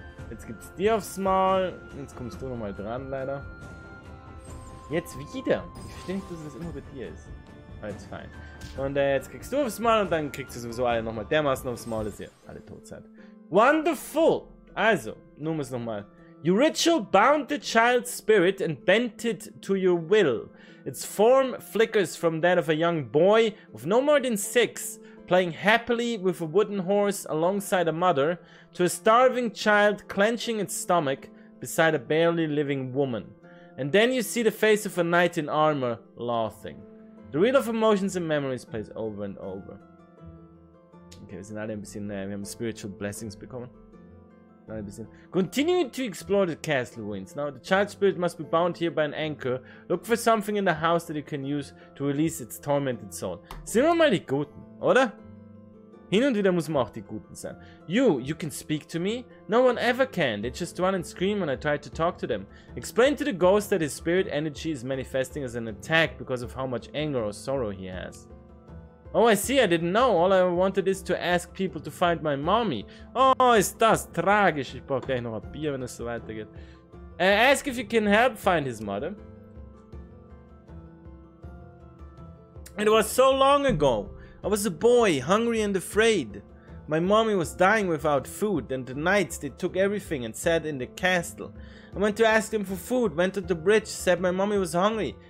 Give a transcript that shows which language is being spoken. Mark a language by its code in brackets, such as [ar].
[de] Jetzt gibt's dir aufs Maul. Jetzt kommst du nochmal dran, leider. Jetzt wieder. Ich verstehe nicht, dass das immer bei dir ist. Alles fein. Und jetzt kriegst du aufs Maul und dann kriegst du sowieso alle nochmal dermaßen aufs Maul, dass ihr alle tot seid. Wonderful! Also, nun muss nochmal. [en] Your ritual bound the child's spirit and bent it to your will. Its form flickers from that of a young boy of no more than 6. Playing happily with a wooden horse alongside a mother, to a starving child clenching its stomach beside a barely living woman. And then you see the face of a knight in armor laughing. The reel of emotions and memories plays over and over. [de] Okay, wir sind alle ein bisschen, wir haben [en] spiritual blessings [de] bekommen. [en] Continue to explore the castle ruins. Now the child spirit must be bound here by an anchor. Look for something in the house that you can use to release its tormented soul. [de] Sind wir mal die Guten, oder? Hin und wieder muss man auch die Guten sein. [en] You can speak to me? No one ever can. They just run and scream when I try to talk to them. Explain to the ghost that his spirit energy is manifesting as an attack because of how much anger or sorrow he has. Oh, I see, I didn't know. All I wanted is to ask people to find my mommy. [de] Oh, ist das tragisch. Ich brauche gleich noch ein Bier, wenn es so weitergeht. [en] Ask if you can help find his mother. It was so long ago. I was a boy, hungry and afraid. My mommy was dying without food, and the knights, they took everything and sat in the castle. I went to ask them for food, went to the bridge, said my mommy was hungry.